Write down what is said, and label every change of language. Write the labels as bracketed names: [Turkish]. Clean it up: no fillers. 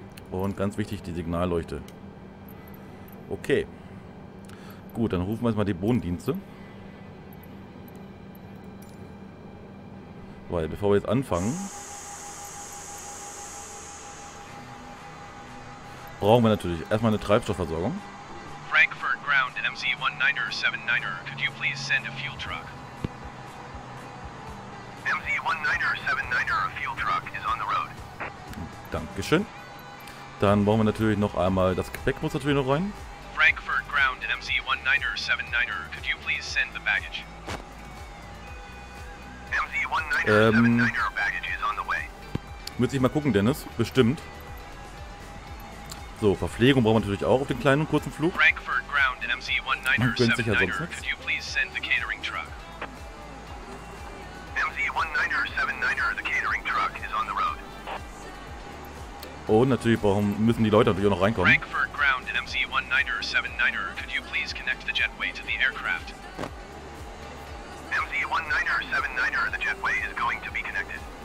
[German] Und ganz wichtig, die Signalleuchte. Okay. Gut, dann rufen wir jetzt mal die Bodendienste. Weil, bevor wir jetzt anfangen, brauchen wir natürlich erstmal eine Treibstoffversorgung. [English] Frankfurt Ground MZ-19er-79er, could you please send a fuel truck? MZ-19er-79er, a fuel truck is on the road. [German] Dankeschön. Dann brauchen wir natürlich noch einmal, das Gepäck muss natürlich noch rein. [English] Frankfurt Ground MZ-19er-79er, could you please send the baggage? MZ-19er-79er, baggage is on the way. [German] Müsste ich mal gucken, Dennis, bestimmt. So, Verpflegung brauchen wir natürlich auch auf den kleinen und kurzen Flug. [English] Frankfurt Ground MZ-19er-79er, [German] gönnt sich ja sonst nichts. [English] Could you please send the catering truck? MZ-19er-79er, the catering truck is on the road. [German] Und natürlich müssen die Leute natürlich auch noch reinkommen. [English] Frankfurt Ground MZ-19er-79er, could you please connect the jetway to the aircraft? MZ-19er-79er, the jetway is going to be connected.